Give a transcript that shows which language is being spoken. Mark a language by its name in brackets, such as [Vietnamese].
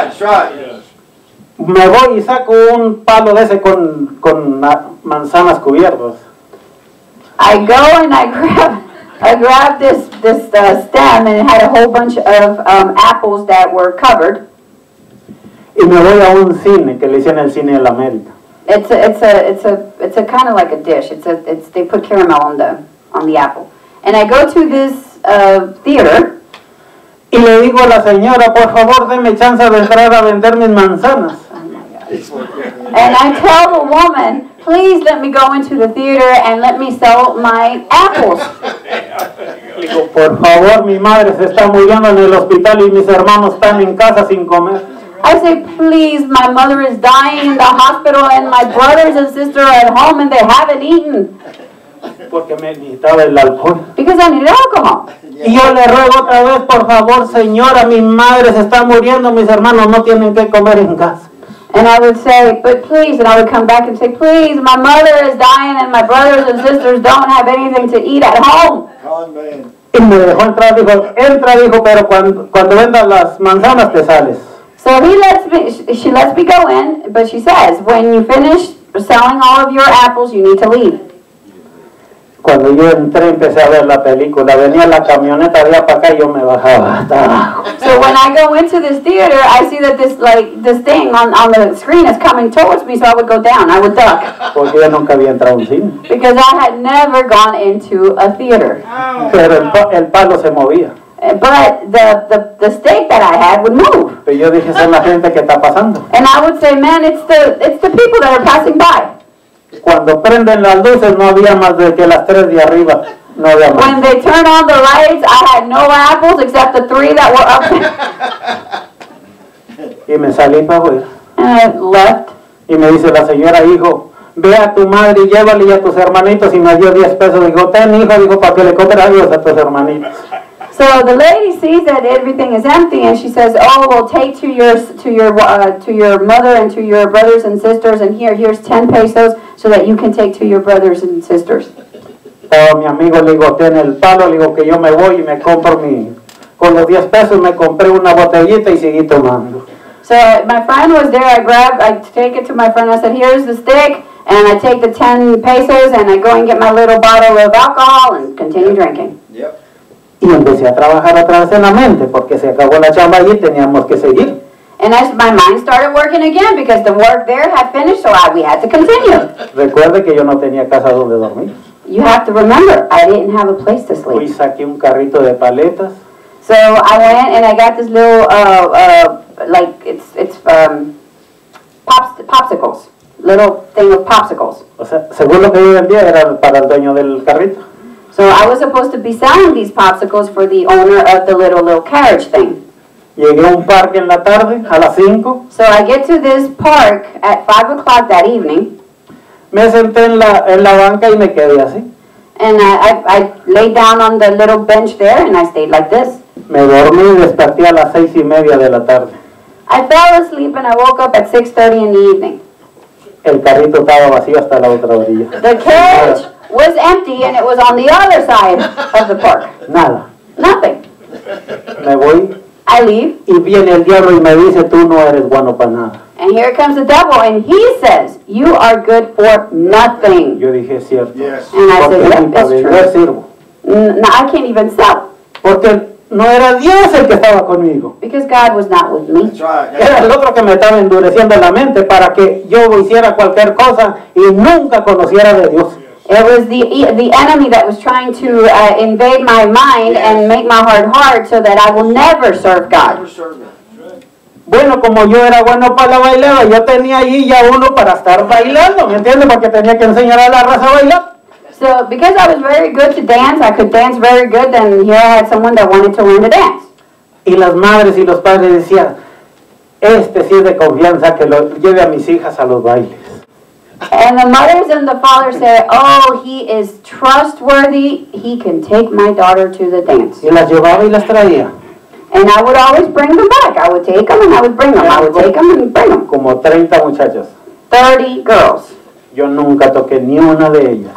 [English] That's right. [Spanish] Me voy y saco un palo de ese con manzanas cubiertos. [English] I go and I grabbed this stem and it had a whole bunch of apples that were covered. [Spanish] Y me voy a un cine que le hicieron el cine de la América. [English] It's a kind of like a dish. They put caramel on the apple. And I go to this theater. [Spanish] Y le digo a la señora, por favor, deme chance de entrar a vender mis manzanas. [English] Oh my God. And I tell the woman, please let me go into the theater and let me sell my apples. [Spanish] Digo, por favor, mi madre se está muriendo en el hospital y mis hermanos están en casa sin comer. [English] I say, please, my mother is dying in the hospital and my brothers and sister are at home and they haven't eaten. [Spanish] Porque me necesitaba el alcohol. [English] Because I needed alcohol. [Spanish] Y yo le ruego otra vez, por favor, señora, mi madre se está muriendo, mis hermanos no tienen que comer en casa. [English] And I would say, but please, and I would come back and say, please, my mother is dying and my brothers and sisters don't have anything to eat at home. [Spanish] Y me dejó entrar, dijo, entra, dijo, pero cuando vendas las manzanas te sales. [English] So he lets me, she lets me go in, but she says, when you finish selling all of your apples, you need to leave. [Spanish] Cuando yo entré, empecé a ver la película. Venía la camioneta, veía para acá y yo me bajaba hasta abajo. [English] So when I go into this theater, I see that this thing on the screen is coming towards me, so I would go down, I would duck. [Spanish] Porque yo nunca había entrado a un cine. [English] Because I had never gone into a theater. [Spanish] Pero el palo se movía. [English] But the stake that I had would move. [Spanish] Pero yo dije, son la gente que está pasando. [English] And I would say, man, it's the people that are passing by. [Spanish] Cuando prenden las luces no había más de que las tres de arriba, no había más. [English] When they turned on the lights, I had no apples except the three that were up there. [Spanish] Y me salí para afuera. [English] And I left. [Spanish] Y me dice la señora, hijo, ve a tu madre y llévale y a tus hermanitos. Y me dio 10 pesos. Dijo, ten, hijo, dijo, para que le compre adiós a tus hermanitos. [English] So the lady sees that everything is empty and she says, oh, well, take to your mother and to your brothers and sisters, and here's 10 pesos so that you can take to your brothers and sisters. [Spanish] Oh, mi amigo, le digo, ten el palo, le digo que yo me voy y me compro mi, con los 10 pesos me compré una botellita y seguí tomando. [English] So my friend was there, I take it to my friend, I said, here's the stick, and I take the 10 pesos and I go and get my little bottle of alcohol and continue drinking. Yep. [Spanish] Y empecé a trabajar otra vez en la mente, porque se acabó la chamba y teníamos que seguir. [English] And as my mind started working again, because the work there had finished, so we had to continue. [Spanish] Recuerde que yo no tenía casa donde dormir. [English] You have to remember, I didn't have a place to sleep. [Spanish] Fui, saqué un carrito de paletas. [English] So I went and I got this little, like, it's popsicles. Little thing of popsicles. [Spanish] O sea, según lo que yo vendía, era para el dueño del carrito. [English] So I was supposed to be selling these popsicles for the owner of the little carriage thing. [Spanish] Llegué a un parque en la tarde, a las 5. [English] So I get to this park at 5 o'clock that evening. [Spanish] Me senté en la banca y me quedé así. [English] And I laid down on the little bench there and I stayed like this. [Spanish] Me dormí y desperté a las 6:30 de la tarde. [English] I fell asleep and I woke up at 6:30 in the evening. [Spanish] El carrito estaba vacío hasta la otra orilla. [English] The carriage was empty and it was on the other side of the park. [Spanish] Nada. [English] Nothing. [Spanish] Me voy. [English] I leave. [Spanish] Y viene el diablo y me dice, tú no eres bueno para nada. [English] And here comes the devil and he says, you are good for nothing. [Spanish] Yo dije, es cierto. [English] Yes. And I said, yeah, that's true. [Spanish] Sirvo. [English] No, I can't even sell. [Spanish] Porque no era Dios el que estaba conmigo. [English] Because God was not with me. That's right. [Spanish] Era el otro que me estaba endureciendo la mente para que yo hiciera cualquier cosa y nunca conociera de Dios. [English] It was the enemy that was trying to invade my mind, yes, and make my heart hard so that I will never serve God. [Spanish] Bueno, como yo era bueno para bailar, yo tenía ahí ya uno para estar bailando, ¿me entiendes? Porque tenía que enseñar a la raza a bailar. [English] So, because I was very good to dance, I could dance very good, then here I had someone that wanted to learn to dance. [Spanish] Y las madres y los padres decían, este sí es de confianza que lo lleve a mis hijas a los bailes. [English] And the mothers and the fathers say, oh, he is trustworthy. He can take my daughter to the dance. [Spanish] Y las llevaba y las traía. [English] And I would always bring them back. I would take them and I would bring them. I would take them and bring them. [Spanish] Como 30 muchachos. [English] 30 girls. [Spanish] Yo nunca toqué ni una de ellas.